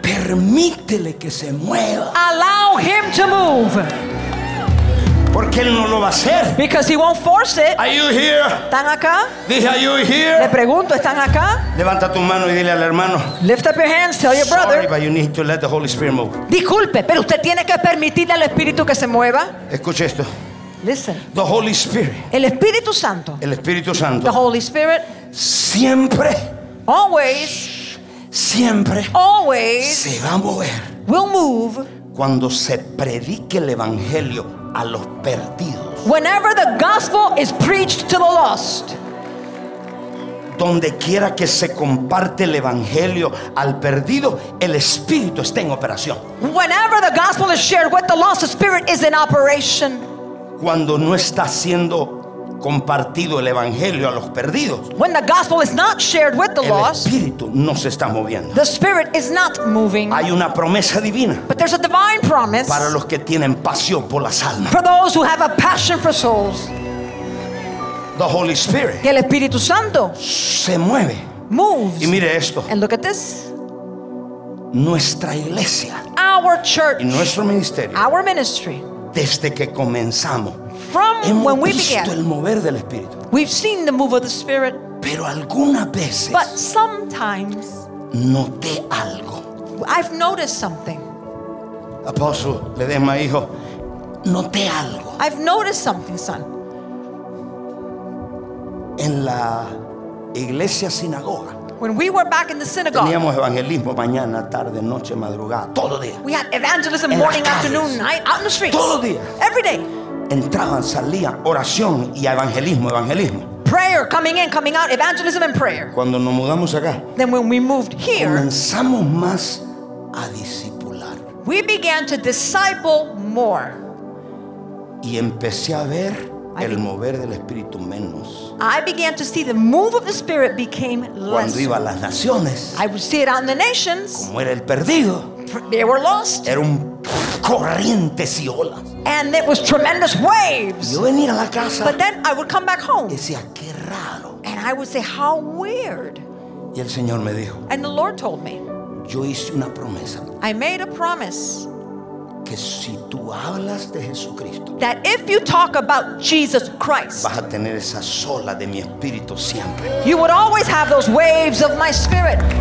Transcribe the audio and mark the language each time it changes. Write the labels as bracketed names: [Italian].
[Spanish] Permítele que se mueva. [English] Allow him to move. [Spanish] Porque él no lo va a hacer. [English] Because he won't force it. Are you here? [Spanish] ¿Están acá? Dije, [English] are you here? [Spanish] Le pregunto, ¿están acá? Levanta tu mano y dile al hermano. [English] Lift up your hands, tell your brother. Sorry, but you need to let the Holy Spirit move. [Spanish] Disculpe, pero usted tiene que permitirle al Espíritu que se mueva. Escuche esto. [English] Listen. The Holy Spirit. [Spanish] El Espíritu Santo. El Espíritu Santo. [English] The Holy Spirit. [Spanish] Siempre. [English] Always. [Spanish] Siempre. [English] Always. [Spanish] Se va a mover. [English] Will move. [Spanish] Cuando se predique el Evangelio. A los perdidos. [English] Whenever the gospel is preached to the lost. [Spanish] Donde quiera que se comparte el evangelio al perdido, el espíritu está en operación. [English] Whenever the gospel is shared with the lost, the spirit is in operation. [Spanish] Cuando no está siendo compartido el evangelio a los perdidos. [English] When the gospel is not shared with the lost, [Spanish] el espíritu no se está moviendo. [English] The spirit is not moving. [Spanish] Hay una promesa divina. [English] But there's a divine promise [Spanish] para los que tienen pasión por las almas. [English] For those who have a passion for souls. The Holy Spirit. [Spanish] Que el Espíritu Santo se mueve. [English] Moves. [Spanish] Y mire esto. [English] And look at this. [Spanish] Nuestra iglesia. [English] Our church. [Spanish] Y nuestro ministerio. [English] Our ministry. [Spanish] Desde que comenzamos. [English] From [Spanish] hemos [English] when we began. [Spanish] Visto el mover del Espíritu. [English] We've seen the move of the Spirit. [Spanish] Pero algunas veces. [English] But sometimes. [Spanish] Noté algo. [English] I've noticed something. [Spanish] Apóstol, le dije a mi hijo. Noté algo. [English] I've noticed something, son. [Spanish] En la iglesia sinagoga. [English] When we were back in the synagogue. [Spanish] Teníamos evangelismo mañana, tarde, noche, madrugada, todo día. [English] We had evangelism morning, afternoon, night, out in the streets. [Spanish] Todo día. [English] Every day. [Spanish] Entraban, salían, oración y evangelismo, evangelismo. [English] Prayer, coming in, coming out, evangelism and prayer. [Spanish] Cuando nos mudamos acá. [English] Then when we moved here. [Spanish] Comenzamos más a discipular. [English] We began to disciple more. [Spanish] Y empecé a ver el mover del Espíritu menos. [English] I began to see the move of the Spirit became less. [Spanish] Cuando iba a las naciones, [English] I would see it on the nations. [Spanish] Como era el perdido, [English] they were lost. [Spanish] Era un corrientes y olas. [English] And it was tremendous waves. [Spanish] Yo venía a la casa, [English] but then I would come back home. [Spanish] Y decía, qué raro. [English] And I would say, how weird. [Spanish] Y el Señor me dijo, [English] and the Lord told me, [Spanish] yo hice una promesa. [English] I made a promise. [Spanish] Que si tú hablas de Jesucristo, [English] that if you talk about Jesus Christ, [Spanish] vas a tener esa sola de mi espíritu siempre. [English] You would always have those waves of my spirit.